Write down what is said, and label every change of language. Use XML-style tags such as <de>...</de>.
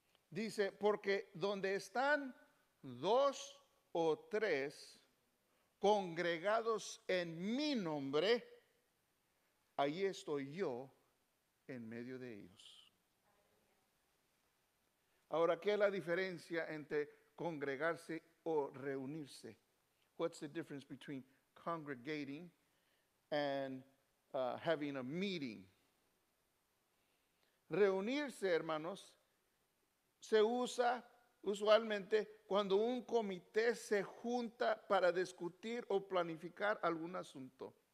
<es>Dice, porque donde están dos o tres congregados en mi nombre, ahí estoy yo en medio de ellos. Ahora, ¿qué es la diferencia entre congregarse o reunirse?</es> <en>What's the difference between congregating and having a meeting?</en> <es>Reunirse, hermanos, se usa usualmente cuando un comité se junta para discutir o planificar algún asunto.</es>